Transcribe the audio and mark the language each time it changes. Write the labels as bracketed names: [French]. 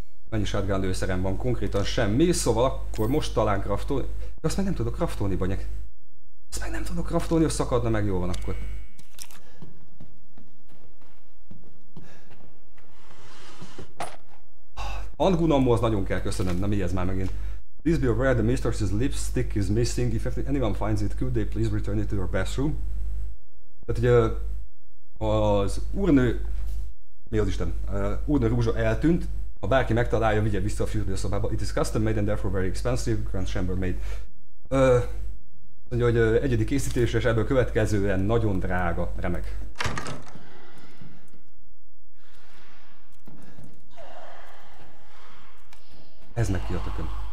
[Hungarian] Mennyi shotgun lőszerem van, konkrétan semmi, szóval akkor most talán kraftolni. De azt meg nem tudok kraftolni, banyek. Azt meg nem tudok kraftolni, hogy szakadna meg, jól van akkor. Handgunomhoz az nagyon kell köszönöm, na mi ez már megint. [English] Please be aware the mistress's lipstick is missing. If anyone finds it, could they please return it to your bathroom? [Hungarian] Tehát ugye az úrnő, mi az Isten, úrnő rúzsa eltűnt. Ha bárki megtalálja, vigye vissza a fürdőszobába. [English] It is custom made and therefore very expensive, grand chamber made. [Hungarian] Mondja, hogy egyedi készítés, és ebből következően nagyon drága, remek. Ez meg ki a tököm.